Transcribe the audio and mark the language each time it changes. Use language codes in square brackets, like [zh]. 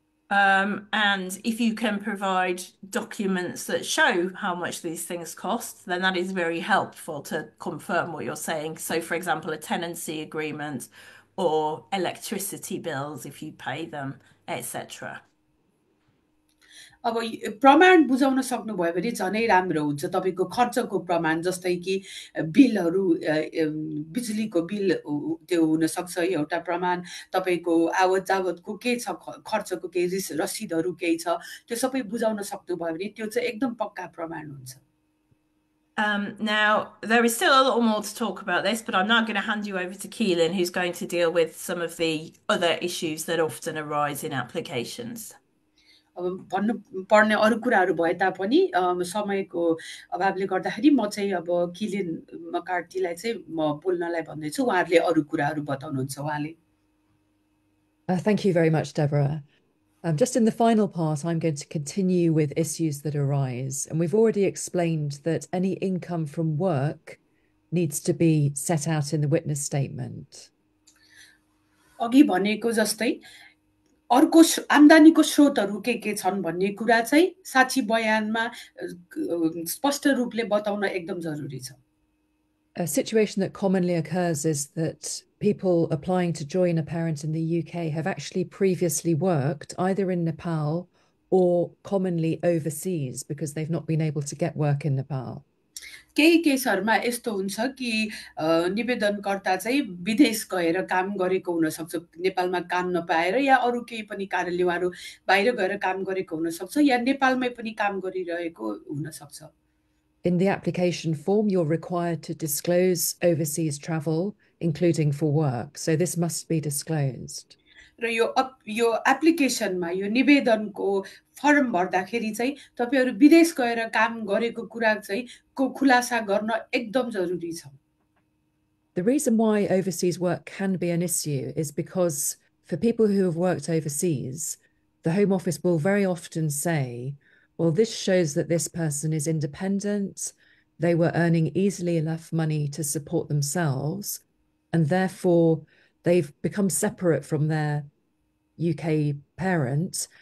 [en] And if you can provide documents that show how much these things cost, then that is very helpful to confirm what you're saying. So, for example, a tenancy agreement or electricity bills if you pay them, etc. [ne] अब प्रमाण बुझाउन सक्नुभयो भने झनै राम्रो हुन्छ, तपाईँको खर्चको प्रमाण, जस्तै कि बिलहरू, बिजुलीको बिल त्यो हुनसक्छ एउटा प्रमाण, तपाईँको आवत जावतको के छ, खर्चको केही रसिदहरू केही छ, त्यो सबै बुझाउन सक्नुभयो भने त्यो चाहिँ एकदम पक्का प्रमाण हुन्छ। [en] Now, there is still a little more to talk about this, but I'm now going to hand you over to Keelan, who's going to deal with some of the other issues that often arise in applications. [ne] अब भन्नु पर्ने अरू कुराहरू भए तापनि समयको अभावले गर्दाखेरि म चाहिँ अब किलिन मकार्तीलाई चाहिँ म बोल्नलाई भन्दैछु, उहाँहरूले अरू कुराहरू बताउनुहुन्छ उहाँले। [en] Thank you very much, Deborah. Just in the final part, I'm going to continue with issues that arise. And we've already explained that any income from work needs to be set out in the witness statement. [ne] अघि भनेको जस्तै अर्को आम्दानीको स्रोतहरू के छन् भन्ने कुरा चाहिँ साक्षी बयानमा स्पष्ट रूपले बताउन एकदम जरुरी छ। [en] A situation that commonly occurs is that people applying to join a parent in the UK have actually previously worked either in Nepal or commonly overseas because they've not been able to get work in Nepal. [ne] केही केसहरूमा यस्तो हुन्छ कि निवेदनकर्ता चाहिँ विदेश गएर काम गरेको हुनसक्छ, नेपालमा काम नपाएर, या अरू केही पनि कारणले उहाँहरू बाहिर गएर काम गरेको हुनसक्छ, या नेपालमै पनि काम गरिरहेको हुनसक्छ। [en] In the application form, you're required to disclose overseas travel, including for work. So this must be disclosed. [ne] र यो एप्लिकेसनमा यो निवेदनको फर्म भर्दाखेरि चाहिँ तपाईँहरू विदेश गएर काम गरेको कुरा चाहिँ को खुलासा गर्न एकदम जरुरी छ। [en] The reason why overseas work can be an issue is because for people who have worked overseas, the Home Office will very often say, Well, this shows that this person is independent, they were earning easily enough money to support themselves, and therefore they've become separate from their UK parent.